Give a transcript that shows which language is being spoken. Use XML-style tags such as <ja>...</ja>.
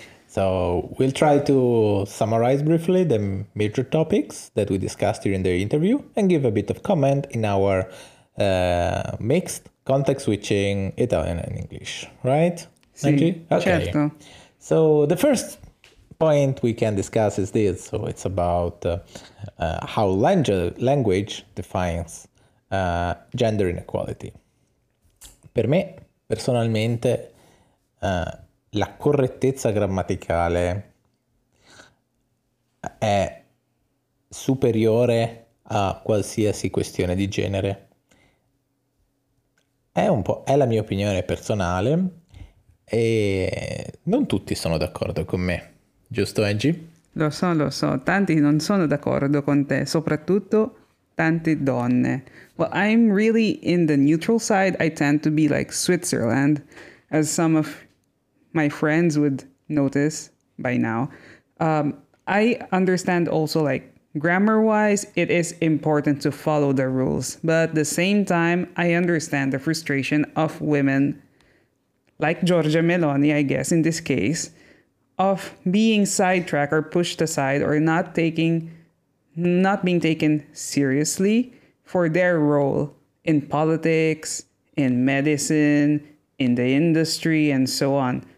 <en>So we'll try to summarize briefly the major topics that we discussed during the interview and give a bit of comment in our mixed context switching Italian and English, right?</en> <it>Sì, okay. Certo.</it> <en>So the first point we can discuss is this. So it's about how language defines gender inequality.</en> <it>Per me, personalmente, la correttezza grammaticale è superiore a qualsiasi questione di genere. È un po', è la mia opinione personale e non tutti sono d'accordo con me, giusto Angie? Lo so, tanti non sono d'accordo con te, soprattutto tante donne.</it> <en>Well, I'm really in the neutral side, I tend to be like Switzerland, as some of my friends would notice by now. I understand also like grammar-wise, it is important to follow the rules, but at the same time, I understand the frustration of women, like Giorgia Meloni, I guess, in this case, of being sidetracked or pushed aside or not being taken seriously for their role in politics, in medicine, in the industry, and so on.</en>